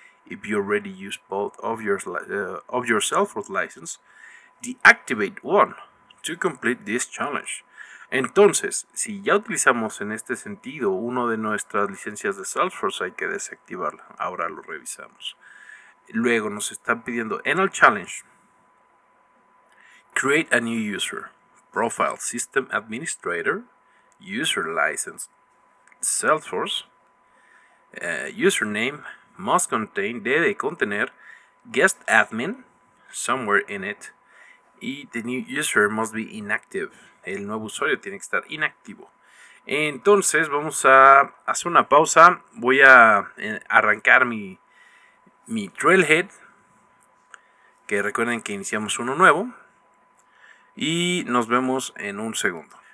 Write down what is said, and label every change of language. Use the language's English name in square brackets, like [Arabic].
[English] If you already use both of your Salesforce license, deactivate one to complete this challenge. [Spanish] Entonces, si ya utilizamos en este sentido uno de nuestras licencias de Salesforce, hay que desactivarla. Ahora lo revisamos. Luego nos están pidiendo en el challenge. [English] Create a new user. Profile System Administrator. User License. Salesforce. Username must contain. [Spanish] Debe contener. [English] Guest Admin. Somewhere in it. Y the new user must be inactive. [Spanish] El nuevo usuario tiene que estar inactivo. Entonces vamos a hacer una pausa. Voy a arrancar mi Trailhead, que recuerden que iniciamos uno nuevo, y nos vemos en un segundo.